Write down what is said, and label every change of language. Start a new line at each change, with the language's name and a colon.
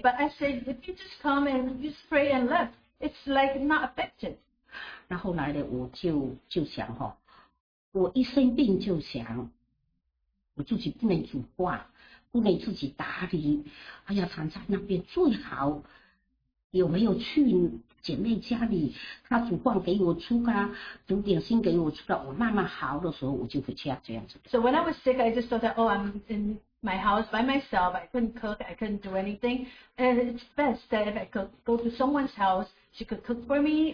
English: But I said, "If you just come and you spray and left, it's like not affected."
Chinese: 然后来呢，我就想哈，我一生病就想，我自己不能煮饭，不能自己打理，哎呀，常常那边最好有没有去？姐妹家里，她煮饭给我吃啊，煮点心给我吃的。我慢慢好的时候，我就回家这样子。
English: So when I was sick, I just thought that, oh, I'm in my house by myself. I couldn't cook. I couldn't do anything. And it's best that if I could go to someone's house, she could cook for me.